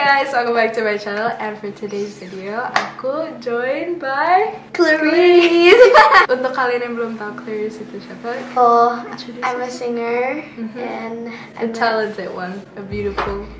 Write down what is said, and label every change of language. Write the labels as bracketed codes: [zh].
[en] Welcome back to my channel, and for today's video, [id] aku [en] joined by Clarice. [id] Untuk kalian yang belum tahu Clarice itu siapa? [en] Oh, I'm a singer and a talented one, a beautiful.